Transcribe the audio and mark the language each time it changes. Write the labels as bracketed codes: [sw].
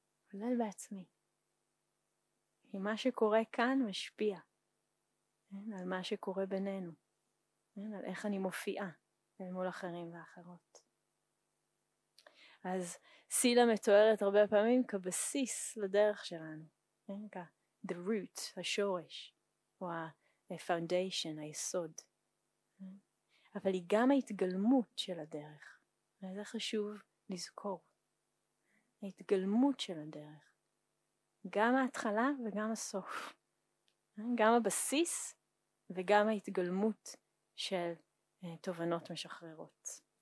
[he] כולל בעצמי. כי מה שקורה כאן משפיע. על מה שקורה בינינו. על איך אני מופיעה מול אחרים ואחרות. אז סילה מתוארת הרבה פעמים כבסיס לדרך שלנו. [en] The root, השורש. [he] או ה-foundation, היסוד. אבל היא גם ההתגלמות של הדרך. וזה חשוב לזכור. ההתגלמות של הדרך. גם ההתחלה וגם הסוף. גם הבסיס וגם ההתגלמות של תובנות משחררות.